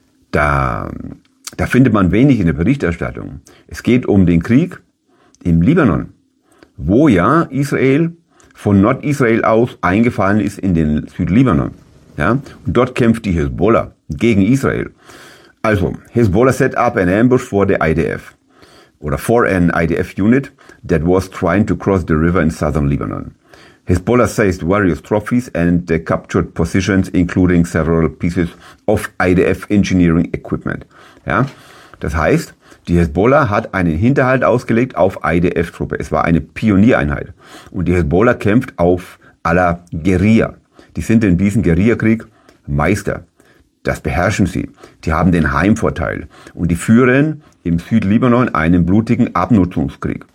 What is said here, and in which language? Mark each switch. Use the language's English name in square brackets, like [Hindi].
[German] Da findet man wenig in der Berichterstattung. Es geht um den Krieg im Libanon, wo ja Israel von Nordisrael aus eingefallen ist in den Südlibanon. Ja? Und dort kämpft die Hezbollah gegen Israel. [English] Also, Hezbollah set up an ambush for the IDF. Oder for an IDF unit that was trying to cross the river in southern Lebanon. Hezbollah seized various trophies and captured positions, including several pieces of IDF engineering equipment. [German] Ja, das heißt, die Hezbollah hat einen Hinterhalt ausgelegt auf IDF-Truppe. Es war eine Pioniereinheit. Und die Hezbollah kämpft auf à la Guerilla. Die sind in diesem Guerillakrieg Meister. Das beherrschen sie. Die haben den Heimvorteil. Und die führen im Südlibanon einen blutigen Abnutzungskrieg.